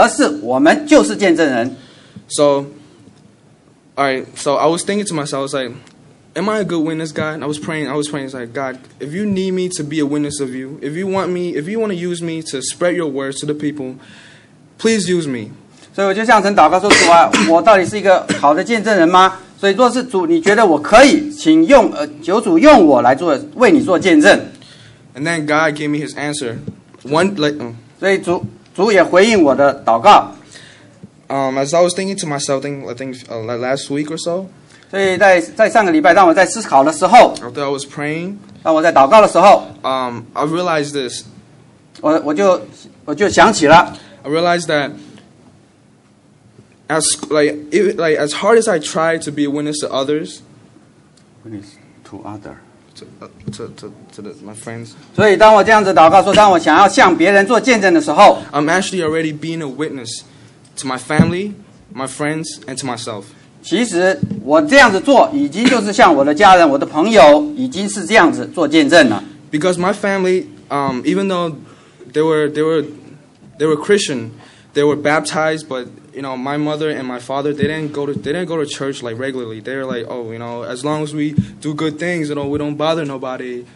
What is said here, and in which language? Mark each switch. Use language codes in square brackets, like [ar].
[zh] 就像刚才Kevin弟兄所讲的，并不是说你是一个好的见证人还是不好的见证人，而是我们就是见证人。 [en] So, alright. So I was thinking to myself, am I a good witness, God? And I was praying. It's like, God, if you need me to be a witness of you, if you want to use me to spread your words to the people, please use me. [zh] 所以我就向神祷告说，主啊，我到底是一个好的见证人吗？所以若是主，你觉得我可以，请用，求主用我来做，为你做见证。 [en] And then God gave me His answer. [zh] 所以主也回应我的祷告。 [en] As I was thinking to myself, I think last week or so. [zh] 所以在上个礼拜，当我在思考的时候。 [en] After I was praying. [zh] 当我在祷告的时候。 [en] I realized this. I realized that as hard as I try to be a witness to others, my friends, I'm actually already being a witness to my family, my friends, and to myself. [zh] 其实我这样子做，已经就是向我的家人、我的朋友，已经是这样子做见证了。 [en] Because my family, even though they were Christian, they were baptized, but you know, my mother and my father, they didn't go to church like regularly. They're like, oh, you know, as long as we do good things, you know, we don't bother nobody.